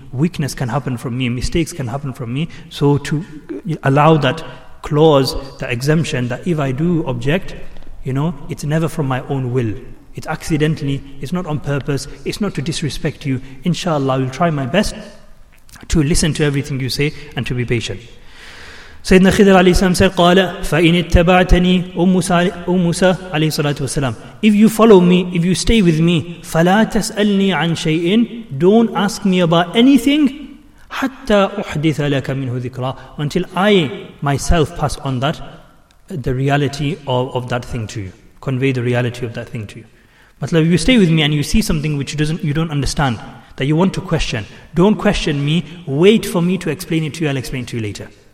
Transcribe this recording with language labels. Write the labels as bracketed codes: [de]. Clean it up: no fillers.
[en] Weakness can happen from me, mistakes can happen from me. So to allow that clause, the exemption, that if I do object, you know, it's never from my own will. It's accidentally, it's not on purpose, it's not to disrespect you. Inshallah, I will try my best to listen to everything you say and to be patient. Sayyidina Khidr alayhi salam said, [ar] قَالَ فَإِنِ اتَّبَعْتَنِي أُمُّسَى عَلَيْهِ صَلَاةُ وَسَلَامُ. [en] If you follow me, if you stay with me, [ar] فَلَا تَسْأَلْنِي عَنْ شَيْءٍ. [en] Don't ask me about anything, [ar] حَتَّى أُحْدِثَ لَكَ مِنْهُ ذِكْرًا. [en] Until I myself pass on that, the reality of that thing to you. Convey the reality of that thing to you. But if you stay with me and you see something which you don't understand, that you want to question, don't question me, wait for me to explain it to you, I'll explain it to you later.